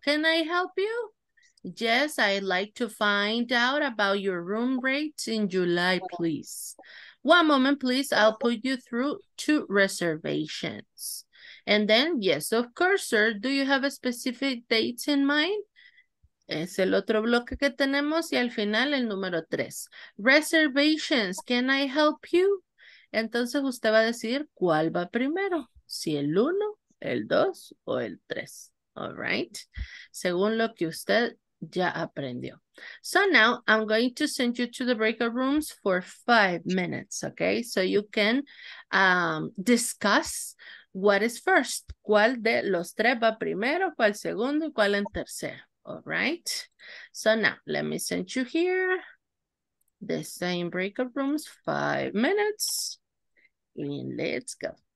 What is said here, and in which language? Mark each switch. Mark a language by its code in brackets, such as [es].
[en] Can I help you? Yes, I'd like to find out about your room rates in July, please. One moment, please. I'll put you through two reservations. And then, yes, of course, sir. Do you have a specific date in mind? [es] Es el otro bloque que tenemos y al final el número tres. [en] Reservations, can I help you? [es] Entonces usted va a decidir cuál va primero, si el uno, el dos o el tres. [en] All right. [es] Según lo que usted ya aprendió. [en] So now I'm going to send you to the breakout rooms for 5 minutes, okay? So you can discuss what is first. [es] ¿Cuál de los tres va primero, cuál segundo y cuál en tercero? [en] All right. So now let me send you here the same breakout rooms, 5 minutes, and let's go.